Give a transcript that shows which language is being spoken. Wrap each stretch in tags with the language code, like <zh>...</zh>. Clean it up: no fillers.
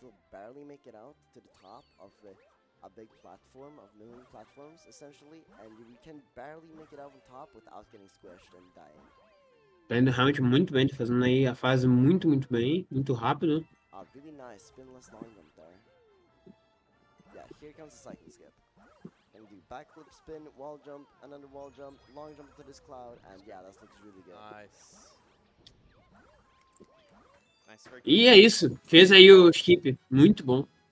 <en>Barely make it out to the top of a big platform of moving platforms essentially, and you can barely make it out on top without getting squished and dying.</en> <pt>Tá indo realmente muito bem, fazendo aí a fase muito, muito bem, muito rápido.</pt> <en>Ah, really nice, spin less long jump there. Yeah, here comes the cycle skip. And you do backflip, spin, wall jump, another wall jump, long jump to this cloud, and yeah, that looks really good. Nice.</en> <pt>E é isso, fez aí o skip, muito bom.</pt>